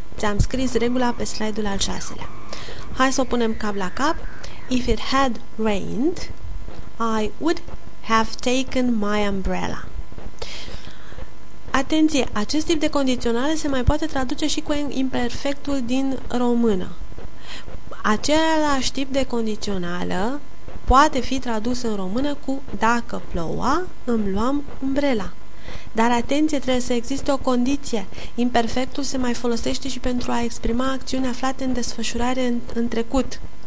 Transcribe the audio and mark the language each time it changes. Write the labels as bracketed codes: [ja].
[ro] Ți-am scris regula pe slide-ul al șaselea. Hai să o punem cap la cap. [en] If it had rained, I would have taken my umbrella. [ro] Atenție, acest tip de condiționale se mai poate traduce și cu imperfectul din română. Același tip de condițională poate fi tradus în română cu dacă ploua, îmi luam umbrela. Dar atenție, trebuie să existe o condiție. Imperfectul se mai folosește și pentru a exprima acțiuni aflate în desfășurare în trecut.